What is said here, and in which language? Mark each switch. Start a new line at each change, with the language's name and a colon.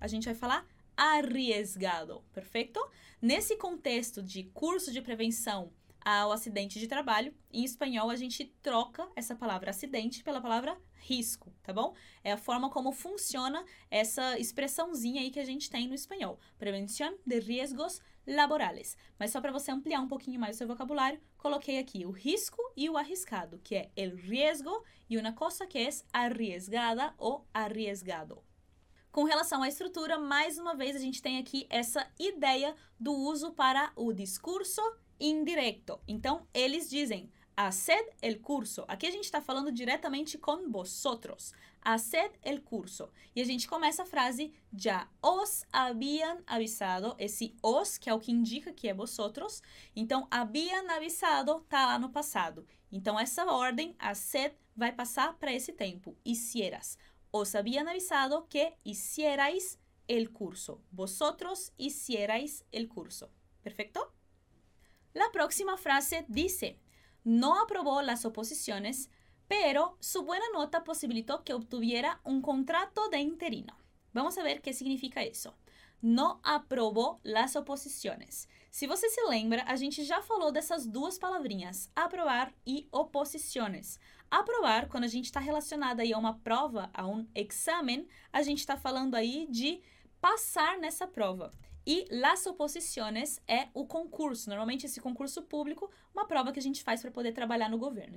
Portuguese: A gente vai falar arriesgado, perfeito? Nesse contexto de curso de prevenção ao acidente de trabalho, em espanhol a gente troca essa palavra acidente pela palavra risco, tá bom? É a forma como funciona essa expressãozinha aí que a gente tem no espanhol.
Spanish: Prevención de riesgos laborales.
Portuguese: Mas só para você ampliar um pouquinho mais o seu vocabulário, coloquei aqui o risco e o arriscado, que é
Spanish: el riesgo
Portuguese: e
Spanish: una cosa que es arriesgada
Portuguese: ou arriesgado. Com relação à estrutura, mais uma vez a gente tem aqui essa ideia do uso para o discurso indireto. Então, eles dizem:
Spanish: Haced el curso.
Portuguese: Aqui a gente está falando diretamente com vosotros.
Spanish: Haced el curso.
Portuguese: E a gente começa a frase: Já
Spanish: os habían avisado.
Portuguese: Esse os, que é o que indica que é vosotros. Então, habían avisado está lá no passado. Então, essa ordem, haced, vai passar para esse tempo: hicieras.
Spanish: Os habían avisado que hicierais el curso. Vosotros hicierais el curso. Perfecto? La próxima frase dice: No aprobó las oposiciones, pero su buena nota posibilitó que obtuviera un contrato de interino. Vamos a ver qué significa eso. No aprobó las oposiciones.
Portuguese: Se você se lembra, a gente já falou dessas duas palavrinhas, aprovar e oposiciones. Aprovar, quando a gente está relacionada aí a uma prova, a um examen, a gente está falando aí de passar nessa prova. E las oposiciones é o concurso, normalmente esse concurso público, uma prova que a gente faz para poder trabalhar no governo.